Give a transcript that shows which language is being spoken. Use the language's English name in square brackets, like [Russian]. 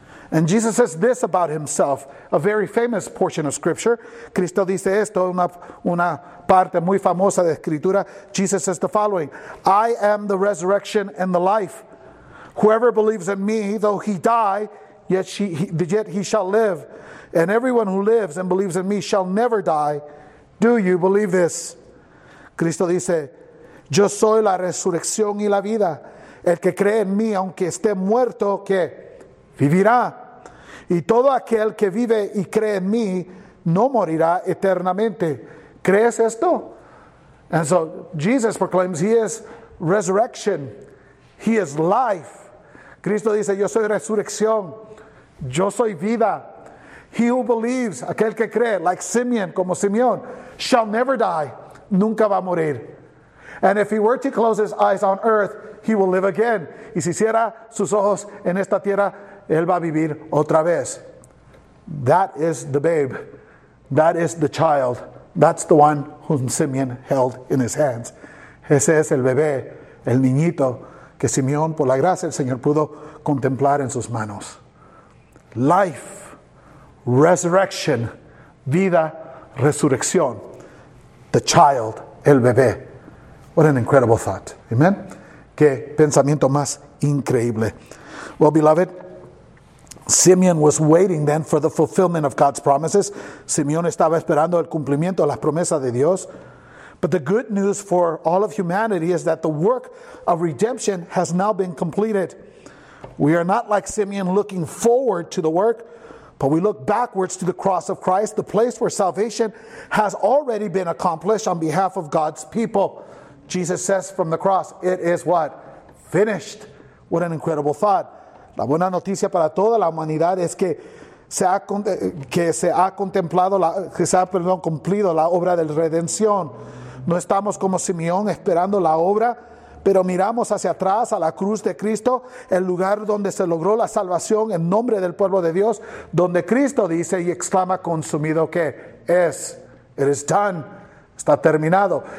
[English] And Jesus says this about himself, a very famous portion of scripture. [Spanish] Cristo dice esto, una parte muy famosa de escritura. [English] Jesus says the following, I am the resurrection and the life. Whoever believes in me, though he die, yet he shall live. And everyone who lives and believes in me shall never die. Do you believe this? [Spanish] Cristo dice, yo soy la resurrección y la vida. El que cree en mí, aunque esté muerto, que vivirá. Y todo aquel que vive y cree en mí no morirá eternamente. ¿Crees esto? [English] And so Jesus proclaims he is resurrection. He is life. [Spanish] Cristo dice, yo soy resurrección. Yo soy vida. [English] He who believes, [Spanish] aquel que cree, [English] like Simeon, [Spanish] como Simeón, [English] shall never die. [Spanish] Nunca va a morir. [English] And if he were to close his eyes on earth, he will live again. [Spanish] Y si cierra sus ojos en esta tierra, él va a vivir otra vez. [English] That is the babe. That is the child. That's the one whom Simeon held in his hands. [Spanish] Ese es el bebé, el niñito, que Simeón, por la gracia del Señor, pudo contemplar en sus manos. [English] Life, resurrection, vida, resurrección. The child, el bebé. What an incredible thought. Amen? [Spanish] Qué pensamiento más increíble. [English] Well, beloved, Simeon was waiting then for the fulfillment of God's promises. [Spanish] Simeón estaba esperando el cumplimiento de las promesas de Dios. [English] But the good news for all of humanity is that the work of redemption has now been completed. We are not like Simeon looking forward to the work, but we look backwards to the cross of Christ, the place where salvation has already been accomplished on behalf of God's people. Jesus says from the cross, it is what? Finished. What an incredible thought. [Spanish] La buena noticia para toda la humanidad es que se ha cumplido la obra de redención. No estamos como Simeón esperando la obra, pero miramos hacia atrás a la cruz de Cristo, el lugar donde se logró la salvación en nombre del pueblo de Dios, donde Cristo dice y exclama consumido que es, [English] it is done, [Spanish] está terminado.